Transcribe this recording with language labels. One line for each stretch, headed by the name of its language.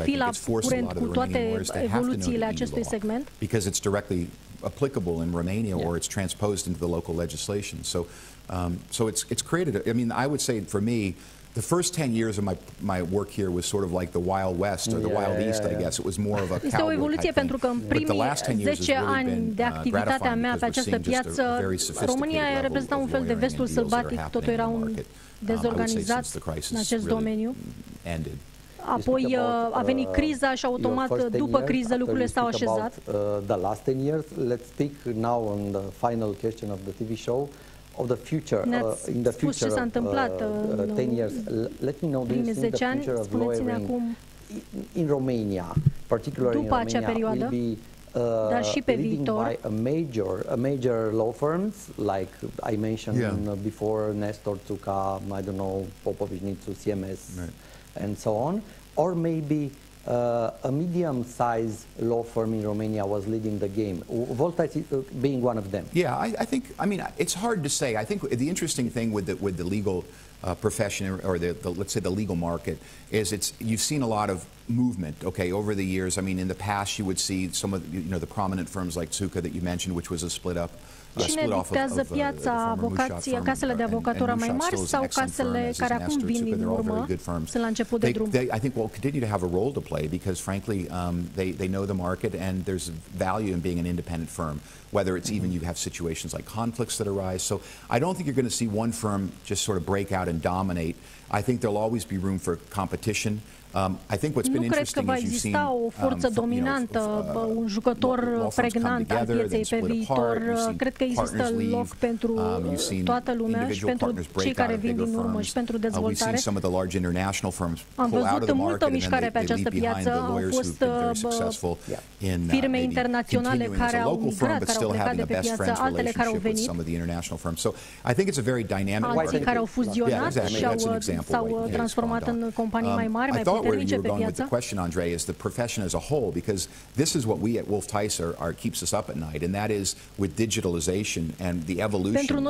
English: I think it's forced a lot of the Romanian lawyers to have to know EU law because it's directly applicable in Romania, or it's transposed into the local legislation. So, so it's created. I mean, I would say for me, the first 10 years of my work here was sort of like the Wild West or the Wild East, I guess. It was more of a cowboy.
Romanian: Este o evoluție pentru că în primii 10 ani de activitatea mea pe această piață, România reprezenta un fel de vestul sălbatic, totul era un dezorganizat în acest domeniu. Apoi a venit criza și automat după criză lucrurile s-au așezat.
English: The last 10 years, let's speak now on the final question of the TV show. Of the future, in the future, 10 years, let me know, do you think the future of lawyering in Romania, particularly in Romania, will be
Romanian: dar și pe viitor,
English: by a major law firms like I mentioned before, Nestor Tsuka, I don't know, Popovich Nitzu, CMS, and so on, or maybe a medium-sized law firm in Romania was leading the game, Volta being one of them. Yeah, I think it's hard to say. I think the interesting thing with the legal profession, or the let's say the legal market, is you've seen a lot of movement, okay, over the years. I mean, in the past you would see some of the prominent firms like Tsuka that you mentioned, which was a split up.
Romanian: Cine dictează piața, avocații, casele de avocatură mai mari sau casele care acum vin din urmă, sunt la început de drum?
English: I think we'll continue to have a role to play because, frankly, they know the market and there's value in being an independent firm, whether it's even you have situations like conflicts that arise. So I don't think you're going to see one firm just sort of break out and dominate. I think there'll always be room for competition. I think what's been interesting is you've seen
Romanian: o forță dominantă, un jucător pregnant al pieței pe viitor. Cred că există loc pentru toată lumea și pentru cei care vin din urmă și pentru dezvoltare.
English: Some of the large international firms
Romanian: am văzut multă mișcare pe această piață. Au fost firme internaționale care au migrat, care au plecat de pe piață, altele care au venit. Alții care au fuzionat și s-au transformat în companii mai mari, mai
English: where you were going with the question, Andre, is the profession as a whole, because this is what we at Wolf Tyser are keeps us up at night, and that is with digitalization and the evolution,